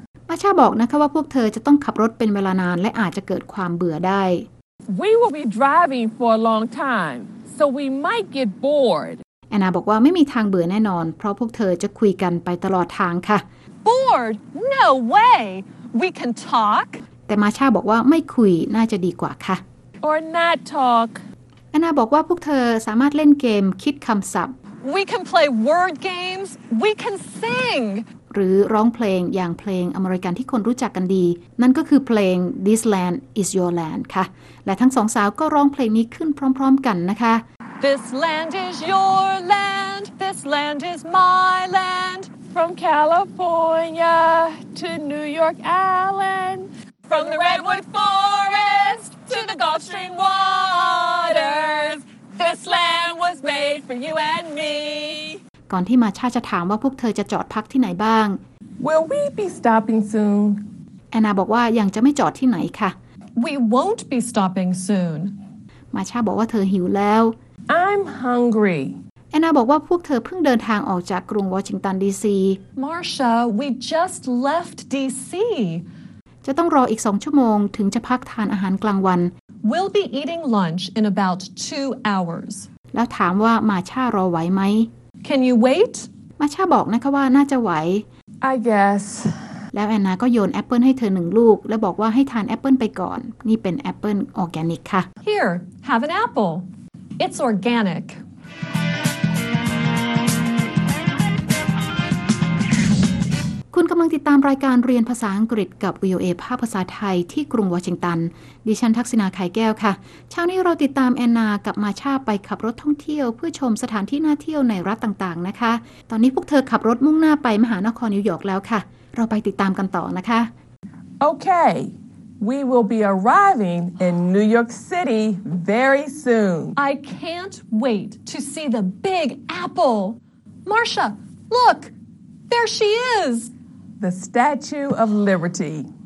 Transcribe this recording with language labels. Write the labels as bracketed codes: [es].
[th] มาช่าบอกนะคะว่าพวกเธอจะต้องขับรถเป็นเวลานานและอาจจะเกิดความเบื่อได้ [en] We will be driving for a long time so we might get bored [th] แอนนาบอกว่าไม่มีทางเบื่อแน่นอนเพราะพวกเธอจะคุยกันไปตลอดทางค่ะ [en] Bored no way we can talk [th] แต่มาช่าบอกว่าไม่คุยน่าจะดีกว่าค่ะ [en] Or not talk [th] แอนนาบอกว่าพวกเธอสามารถเล่นเกมคิดคำศัพท์ [en] We can play word games we can sing [th] หรือร้องเพลงอย่างเพลงอเมริกันที่คนรู้จักกันดีนั่นก็คือเพลง [en] This Land Is Your Land [th] ค่ะและทั้งสองสาวก็ร้องเพลงนี้ขึ้นพร้อมๆกันนะคะ [en] This land is your land This land is my land From California to New York Island From the Redwood Forest to the Gulf Stream waters This land was made for you and me [th] ก่อนที่มาชาจะถามว่าพวกเธอจะจอดพักที่ไหนบ้าง [en] Will we be stopping soon? [th] แอนนาบอกว่ายังจะไม่จอดที่ไหนค่ะ [en] We won't be stopping soon. [th] มาชาบอกว่าเธอหิวแล้ว [en] I'm hungry. [th] แอนนาบอกว่าพวกเธอเพิ่งเดินทางออกจากกรุงวอชิงตันดีซี [en] Marcia, we just left DC. [th] จะต้องรออีก2ชั่วโมงถึงจะพักทานอาหารกลางวัน [en] We'll be eating lunch in about 2 hours. [th] แล้วถามว่ามาชารอไหวไหม [en] Can you wait? [th] มาชาบอกนะคะว่าน่าจะไหว [en] I guess. [th] แล้วแอนนาก็โยนแอปเปิลให้เธอหนึ่งลูกและบอกว่าให้ทานแอปเปิลไปก่อนนี่เป็นแอปเปิลออร์แกนิกค่ะ [en] Here, have an apple. It's organic. [th] คุณกำลังติดตามรายการเรียนภาษาอังกฤษกับ VOA ภาพภาษาไทยที่กรุงวอชิงตันดิฉันทักษิณาไข่แก้วค่ะเช้านี้เราติดตามแอนนากับมาชาไปขับรถท่องเที่ยวเพื่อชมสถานที่น่าเที่ยวในรัฐต่างๆนะคะตอนนี้พวกเธอขับรถมุ่งหน้าไปมหานครนิวยอร์กแล้วค่ะเราไปติดตามกันต่อนะคะ [en] โอเค We will be arriving in New York City very soon I can't wait to see the big apple Marcia look there she isThe Statue of Liberty.